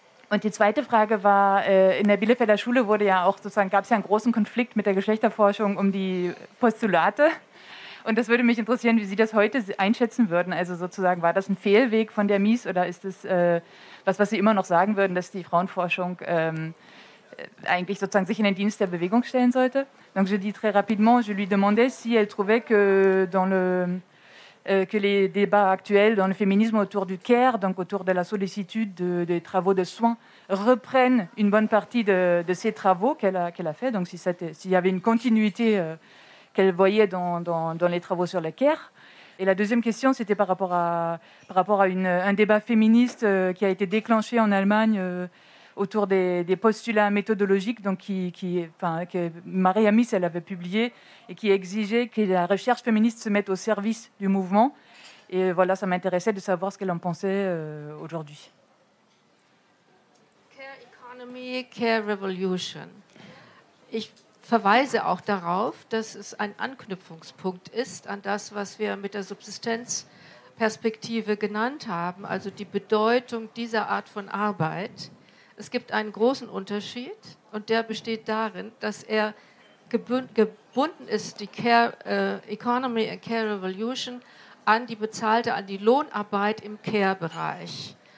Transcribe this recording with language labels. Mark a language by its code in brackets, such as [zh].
[de] Und die zweite Frage war, in der Bielefelder Schule wurde ja auch sozusagen, gab es ja einen großen Konflikt mit der Geschlechterforschung um die Postulate. Und das würde mich interessieren, wie Sie das heute einschätzen würden. Also sozusagen, war das ein Fehlweg von der Mies oder ist das was, was Sie immer noch sagen würden, dass die Frauenforschung eigentlich sozusagen sich in den Dienst der Bewegung stellen sollte? [fr] Donc je dis très rapidement, je lui demandais si elle trouvait que dans le que les débats actuels dans le féminisme autour du care, donc autour de la sollicitude des travaux de soins, reprennent une bonne partie de ces travaux qu'elle a fait. Donc si c'était, s'il y avait une continuité qu'elle voyait dans les travaux sur le care. Et la deuxième question, c'était par rapport à un débat féministe qui a été déclenché en Allemagne autour des postulats méthodologiques, donc que Maria Mies elle avait publié et qui exigeait que la recherche féministe se mette au service du mouvement. Et voilà, ça m'intéressait de savoir ce qu'elle en pensait aujourd'hui. [en] Care economy, care revolution. [de] Ich verweise auch darauf, dass es ein Anknüpfungspunkt ist an das, was wir mit der Subsistenzperspektive genannt haben, also die Bedeutung dieser Art von Arbeit. Es gibt einen großen Unterschied und der besteht darin, dass er gebunden ist, die Care Economy and Care Revolution, an die bezahlte, an die Lohnarbeit im Care-Bereich.